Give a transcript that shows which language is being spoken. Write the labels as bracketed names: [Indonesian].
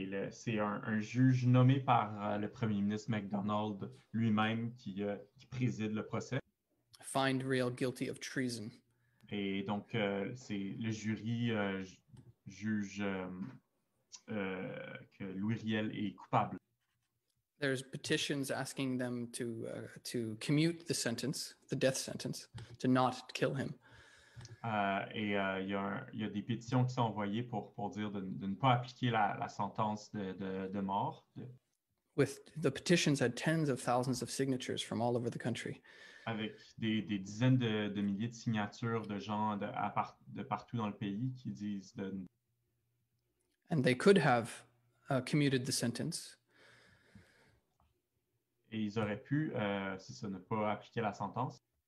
[French] C'est un juge nommé par le premier ministre McDonald lui-même qui préside le procès. [English] Find Riel guilty of treason. [French] Et donc, c'est le jury juge que Louis Riel est coupable. [English] There's petitions asking them to commute the sentence, the death sentence, to not kill him. [French] Il y a des pétitions qui sont envoyées pour dire de ne pas appliquer la sentence de mort. [English] With the petitions had tens of thousands of signatures from all over the country. [French] Avec des dizaines de milliers de signatures de gens de partout dans le pays qui disent de. [English] And they could have commuted the sentence. [French] Et ils auraient pu, si ça ne pas appliquer la sentence.